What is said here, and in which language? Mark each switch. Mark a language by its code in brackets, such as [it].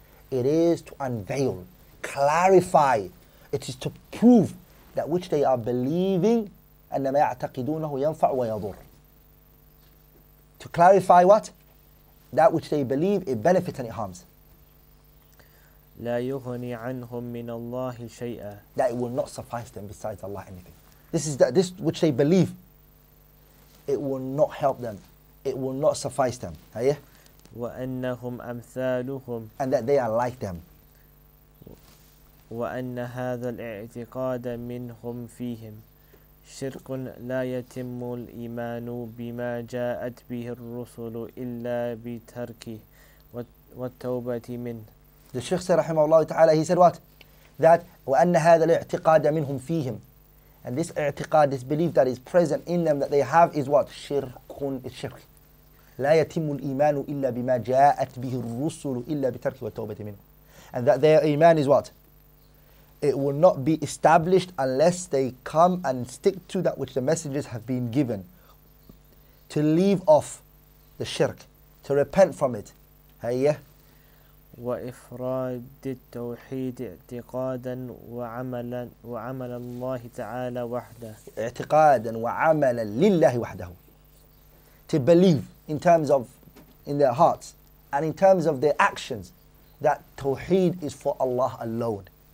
[en] It is to unveil, clarify. It is to prove that which they are believing [ar] أَنَّ مَا يَعْتَقِدُونَهُ يَنْفَعُ وَيَضُرُّ [en] To clarify what? That which they believe, it benefits and it harms. [ar] لا يغني عنهم من الله شيئا. [en] That it will not suffice them besides Allah anything. This which they believe, it will not help them. It will not suffice them. Hayya? [ar] وأنهم أمثالهم. [en] And that they are like them. [ar] وأن هذا الاعتقاد منهم فيهم. شرك لا يتم الإيمان بما جاءت به الرسل إلا بتركه والتوبة منه. [en] The Sheikh said, "Rahimahullah Taala." He said what? That [ar] وأن هذا الاعتقاد منهم فيهم. [en] And this اعتقاد, this belief that is present in them that they have is what? [ar] شرك is شرك. لا يتم الإيمان إلا بما جاءت به الرسل إلا بتركه والتوبة منه. [en] And that their iman is what? It will not be established unless they come and stick to that which the messengers have been given. To leave off the shirk, to repent from it. Hayya. [ar] وإفراد التوحيد اعتقادا وعملا وعمل الله تعالى وحده. اعتقادا وعملا لله وحده. [en] To believe in terms of in their hearts and in terms of their actions that tawheed is for Allah alone.